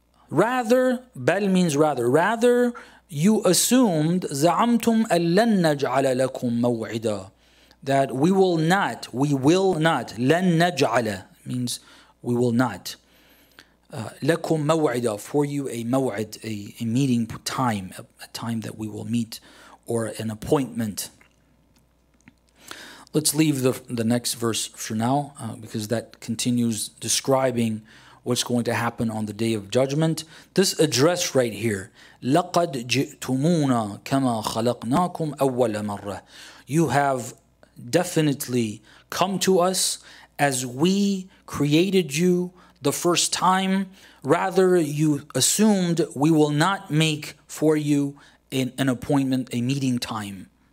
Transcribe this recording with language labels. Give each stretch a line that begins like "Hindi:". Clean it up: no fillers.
English: Rather, bal means rather. Rather, you assumed,
Arabic: za'amtum allan naj'ala lakum maw'ida,
English: that we will not, we will not, lan naj'ala means we will not, lakum maw'ida, for you a maw'id, a meeting time, a time that we will meet, or an appointment. Let's leave the next verse for now, because that continues describing what's going to happen on the Day of Judgment. This address right here,
Arabic: لَقَدْ جِئْتُمُونَ كَمَا خَلَقْنَاكُمْ أَوَّلَ مَرَّةٍ.
English: You have definitely come to us as we created you the first time. Rather, you assumed we will not make for you an appointment, a meeting time.